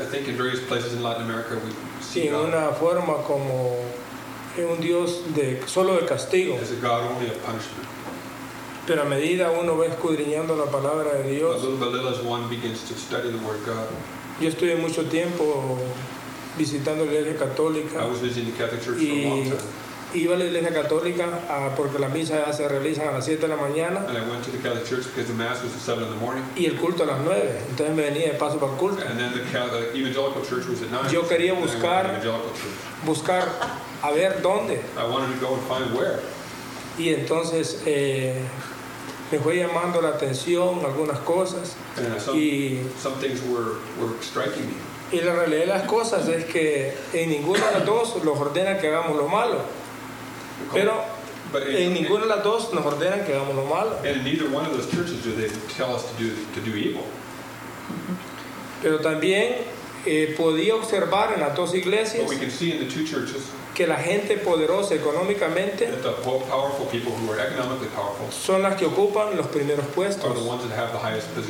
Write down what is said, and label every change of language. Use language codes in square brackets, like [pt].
[en] I think in various places in Latin America we see [es] en una forma como un Dios de solo de castigo. [en] As a God only of punishment. [es] Pero a medida uno va escudriñando la palabra de Dios. [en] But little by little, as one begins to study the word God. [es] Yo estuve mucho tiempo visitando la iglesia católica. [en] I was visiting the Catholic Church for a long time. [es] Iba a la iglesia católica porque la misa se realiza a las 7 de la mañana. [en] And I went to the Catholic Church because the mass was at 7 in the morning. [es] Y el culto a las 9. Entonces me venía de paso para el culto. [en] And then the evangelical church was at 9. [es] Yo quería buscar, [en] the evangelical church. [es] Buscar a ver dónde. [en] I wanted to go and find where. [es] Y entonces me fue llamando la atención algunas cosas. [en] Some things were striking me. [es] Y la realidad de las cosas es que en ninguna de las dos nos ordena que hagamos lo malo. Pero en ninguna de las dos nos ordena que hagamos lo malo. [en] And neither one of those churches do they tell us to do evil. [es] Pero también podía observar en las dos iglesias. [en] But we can see in the two churches [es] que la gente poderosa económicamente, [en] that the powerful people who are economically powerful, [es] son las que ocupan los primeros puestos, [en] are the ones that have the highest positions,